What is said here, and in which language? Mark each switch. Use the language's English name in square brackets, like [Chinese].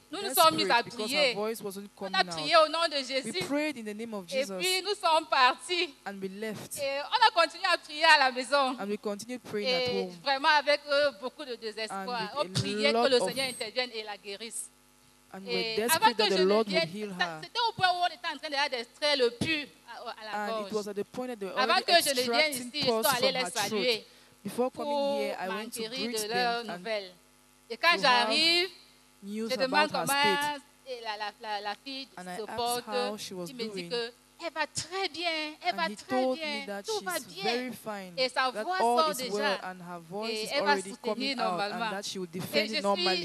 [French] nous nous sommes mis à prier. On a prié au nom de Jésus. Et puis nous sommes partis. [English] And we left. [French] Et on a continué à prier à la maison. [English] And we continued praying [French] et [English] at home. [French] Vraiment avec beaucoup de désespoir. On priait que le Seigneur intervienne et la guérisse. [English] And we're desperate that the Lord will heal her. [French] C'était au point où on était en train d'extraire le pus à la gorge. [English] And it was at the point that they were already extracting pus from her throat. Before coming here, I went to greet them. [French] Pour m'enquérir de leur nouvelle. Et quand j'arrive, je demande comment la fille se porte. Il me dit que elle va très bien, elle va très bien, tout va bien. Et sa voix sort déjà. [English] Well, and her voice [French] et elle va soutenir normalement. [English] And that she will defend normally.